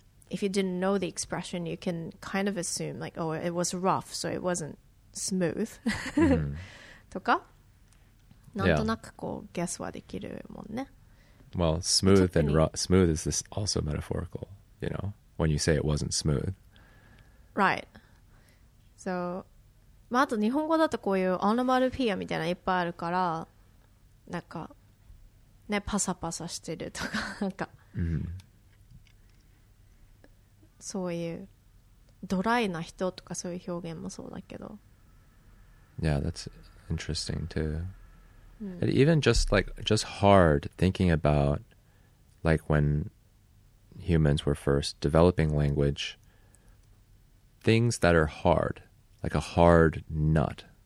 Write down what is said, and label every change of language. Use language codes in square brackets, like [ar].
[en] If you didn't know the expression, you can kind of assume like, oh, it was rough, so it wasn't smooth. [ja] とか、なんとなくこう、guess はできるもんね。 [en] Well, smooth and rough, smooth is this also metaphorical, you know, when you say it wasn't smooth. Right. [ja] So, まああと日本語だとこういうオノマルピアみたいないっぱいあるから、なんか、ね、パサパサしてるとか、なんか、そういうドライな人とかそういう表現もそうだけど、 [en] Yeah, that's interesting too. And even just like, just hard thinking about like when humans were first developing language, things that are hard, like a hard nut.